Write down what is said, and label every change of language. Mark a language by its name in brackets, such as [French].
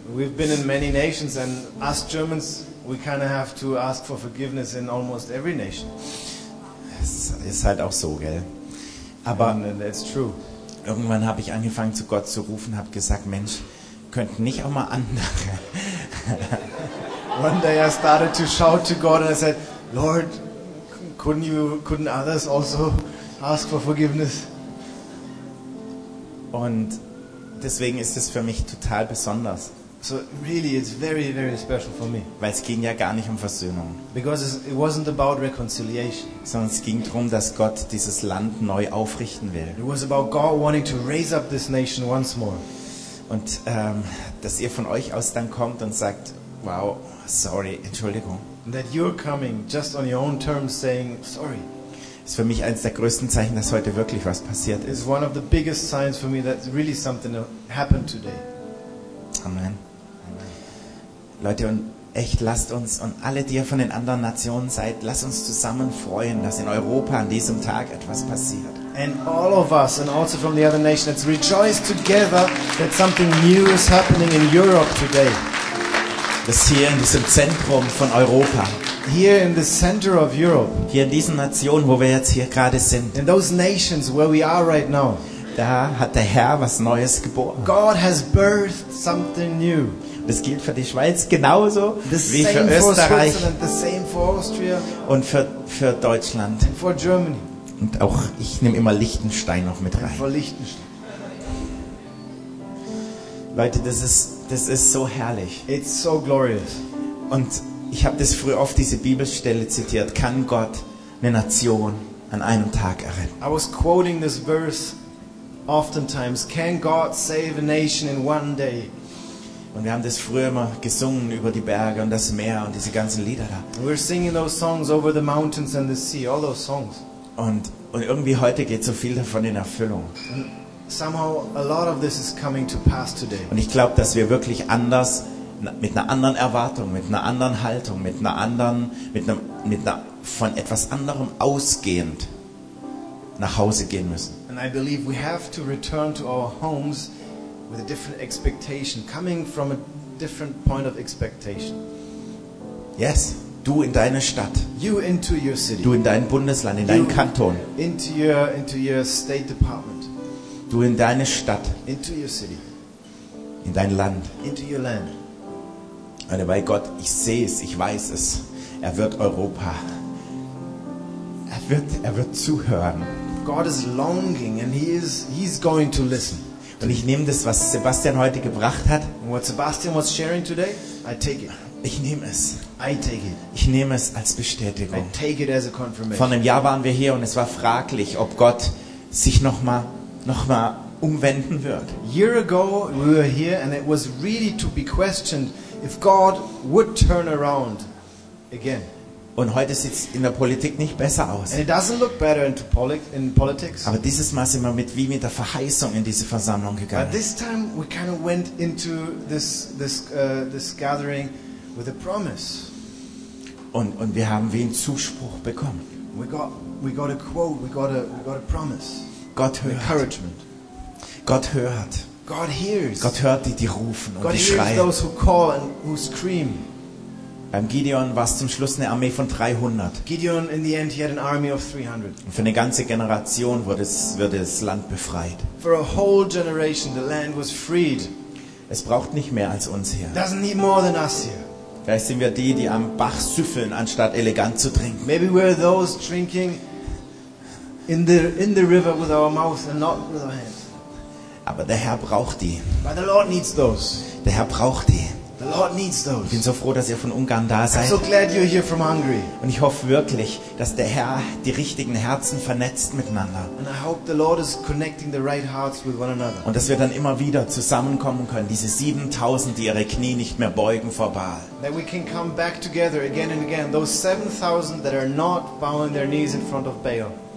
[English] We've been in many nations and us Germans, we kind of have to ask for forgiveness in almost every nation. [German] Es ist halt auch so, gell? Aber [English] and that's true. [German] Irgendwann habe ich angefangen zu Gott zu rufen, habe gesagt, Mensch, könnten nicht auch mal andere? [English] One day I started to shout to God and I said, Lord, couldn't others also ask for forgiveness? [German] Und deswegen ist es für mich total besonders. [English] So really, it's very, very special for me. [German] Weil es ging ja gar nicht um Versöhnung. [English] Because it wasn't about reconciliation. [German] Sondern es ging darum, dass Gott dieses Land neu aufrichten will. [English] It was about God wanting to raise up this nation once more. [German] Und dass ihr von euch aus dann kommt und sagt, wow, sorry, Entschuldigung. [English] That you're coming just on your own terms saying sorry. [German] Ist für mich eines der größten Zeichen, dass heute wirklich was passiert ist. [English] It's one of the biggest signs for me that really something happened today. [German] Amen. Leute, und echt, lasst uns, und alle, die ihr von den anderen Nationen seid, lasst uns zusammen freuen, dass in Europa an diesem Tag etwas passiert. [English] And all of us, and also from the other nations, let's rejoice together that something new is happening in Europe today. [German] Das hier in diesem Zentrum von Europa. [English] Here in the center of Europe. [German] Hier in diesen Nationen, wo wir jetzt hier gerade sind. [English] In those nations where we are right now. [German] Da hat der Herr was Neues geboren. [English] God has birthed something new. [German] Das gilt für die Schweiz genauso [English] the [German] wie [English] same [German] für Österreich [English] for the same for Austria. [German] Und für Deutschland. [English] And for Germany. [German] Und auch ich nehme immer Liechtenstein noch mit rein. [English] For Liechtenstein. [German] Leute, das ist so herrlich. [English] It's so glorious. [German] Und ich habe das früher oft diese Bibelstelle zitiert. Kann Gott eine Nation an einem Tag erretten? [English] I was quoting this verse oftentimes. Can God save a nation in one day? [German] Und wir haben das früher immer gesungen über die Berge und das Meer und diese ganzen Lieder da. [English] We're singing those songs over the mountains and the sea, all those songs. [German] Und irgendwie heute geht so viel davon in Erfüllung. [English] And somehow a lot of this is coming to pass today. [German] Und ich glaube, dass wir wirklich anders, mit einer anderen Erwartung, mit einer anderen Haltung, mit einer von etwas anderem ausgehend nach Hause gehen müssen. [English] And I believe we have to return to our homes with a different expectation, coming from a different point of expectation. [German] Yes, du in deine Stadt. [English] You into your city. [German] Du in dein Bundesland, in deinen Kanton. [English] Into your State Department. [German] Du in deine Stadt. [English] Into your city. [German] In dein Land. [English] Into your land. [German] Und bei Gott, ich sehe es, ich weiß es. Er wird Europa. Er wird zuhören. [English] God is longing and he's going to listen. [German] Und ich nehme das, was Sebastian heute gebracht hat. [English] What Sebastian was sharing today, I take it. [German] Ich nehme es. [English] I take it. [German] Ich nehme es als Bestätigung. [English] I take it as a confirmation. [German] Vor einem Jahr waren wir hier und es war fraglich, ob Gott sich noch mal umwenden wird. [English] A year ago we were here and it was really to be questioned if God would turn around again. [German] Und heute sieht es in der Politik nicht besser aus. [English] And it doesn't look better in politics. [German] Aber dieses Mal sind wir mit der Verheißung in diese Versammlung gegangen. [English] But this time we kind of went into this gathering with a promise. [German] Und wir haben wie einen Zuspruch bekommen. [English] We got a quote. We got a promise. [German] Gott hört. [English] Encouragement. [German] Gott hört. [English] God hears. [German] Gott hört die rufen und [English] God [German] die schreien. [English] God hears those who call and who scream. [German] Beim Gideon war es zum Schluss eine Armee von 300. [English] Gideon in the end he had an army of 300. [German] Und für eine ganze Generation wurde das Land befreit. [English] For a whole generation the land was freed. [German] Es braucht nicht mehr als uns hier. [English] Doesn't need more than us here. [German] Vielleicht sind wir die am Bach süffeln anstatt elegant zu trinken. [English] Maybe we're those drinking in the river with our mouth and not with our hands. [German] Aber der Herr braucht die. [English] But the Lord needs those. [German] Der Herr braucht die. [English] The Lord needs those. [German] Ich bin so froh, dass ihr von Ungarn da seid. [English] I'm so glad you're here from Hungary. [German] Und ich hoffe wirklich, dass der Herr die richtigen Herzen vernetzt miteinander. [English] And I hope the Lord is connecting the right hearts with one another. [German] Und dass wir dann immer wieder zusammenkommen können, diese 7000, die ihre Knie nicht mehr beugen vor Baal. [English] That we can come back together again and again, those 7000 that are not bowing their knees in front of Baal.